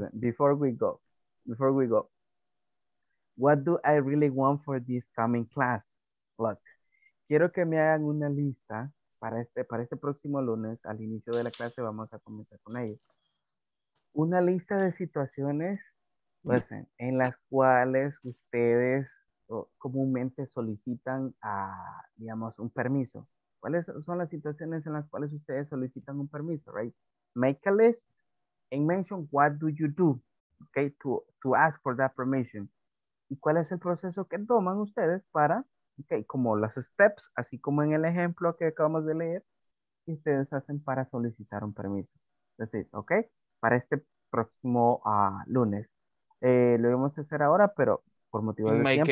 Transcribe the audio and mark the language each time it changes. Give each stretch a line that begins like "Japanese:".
English: Before we go, what do I really want for this coming class?
Spanish: Look, quiero que me hagan una lista para este próximo lunes, al inicio de la clase, vamos a comenzar con ellos. Una lista de situaciones, listen, en las cuales ustedes comúnmente solicitan, digamos, un permiso. ¿Cuáles son las situaciones en las cuales ustedes solicitan un permiso, right?
English: Make a list and mention what do you do, okay, to ask for that permission.
Spanish: ¿Y cuál es el proceso que toman ustedes para, okay, como las steps, así como en el ejemplo que acabamos de leer, que ustedes hacen para solicitar un permiso?
English: That's it, okay,
Spanish: para este próximo lunes. Lo vamos a hacer ahora, pero por motivo de tiempo,